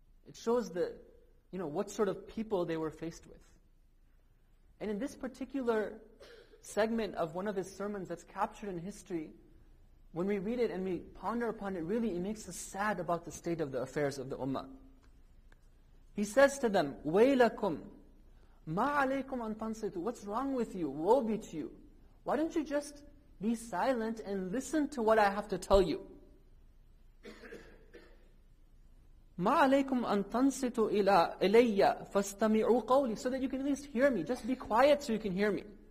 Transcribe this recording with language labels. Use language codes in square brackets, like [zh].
[en] It shows the, you know, what sort of people they were faced with. And in this particular segment of one of his sermons that's captured in history, when we read it and we ponder upon it, really it makes us sad about the state of the affairs of the ummah. He says to them, [ar] وَيْلَكُمْ مَا عَلَيْكُمْ أَنْ تَنْصِتُ. [en] What's wrong with you? Woe be to you. Why don't you just be silent and listen to what I have to tell you? [ar] مَا عَلَيْكُمْ أَنْ تَنْصِتُ إِلَيَّ فَاسْتَمِعُوا قَوْلِي. [en] So that you can at least hear me. Just be quiet so you can hear me.